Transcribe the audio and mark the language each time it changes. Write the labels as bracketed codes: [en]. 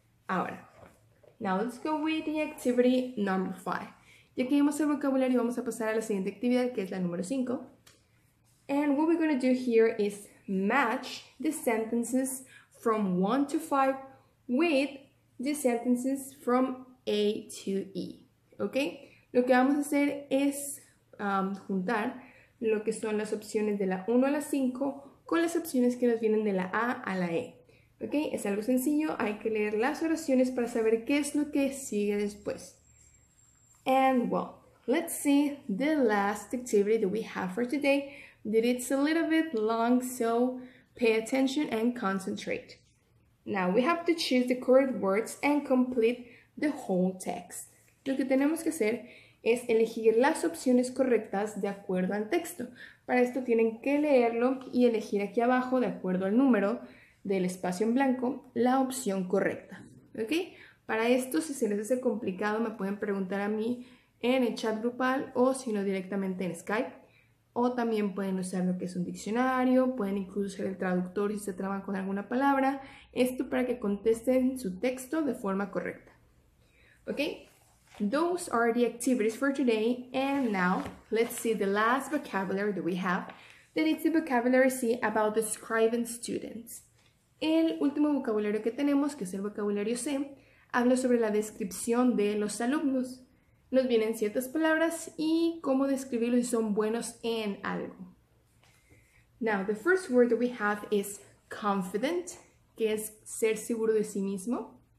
[es] Ahora, [en] now let's go with the activity number 5. [es] Ya que vimos el vocabulario, vamos a pasar a la siguiente actividad, que es la número 5. [en] And what we're going to do here is match the sentences from 1 to 5 with the sentences from A to E. Okay? [es] Lo que vamos a hacer es juntar lo que son las opciones de la 1 a la 5 con las opciones que nos vienen de la A a la E. ¿Ok? Es algo sencillo, hay que leer las oraciones para saber qué es lo que sigue después. [en] And well, let's see the last activity that we have for today. That it's a little bit long, so pay attention and concentrate. Now, we have to choose the correct words and complete the whole text. [es] Lo que tenemos que hacer es elegir las opciones correctas de acuerdo al texto. Para esto tienen que leerlo y elegir aquí abajo, de acuerdo al número del espacio en blanco, la opción correcta. ¿Ok? Para esto, si se les hace complicado, me pueden preguntar a mí en el chat grupal o si no directamente en Skype. O también pueden usar lo que es un diccionario, pueden incluso usar el traductor si se traban con alguna palabra. Esto para que contesten su texto de forma correcta. ¿Ok? [en] Those are the activities for today, and now let's see the last vocabulary that we have. That is the vocabulary C about describing students. [es] El último vocabulario que tenemos, que es el vocabulario C, habla sobre la descripción de los alumnos. Nos vienen ciertas palabras y cómo describirlos si son buenos en algo. [en] Now, the first word that we have is confident, [es] que es ser seguro de sí mismo.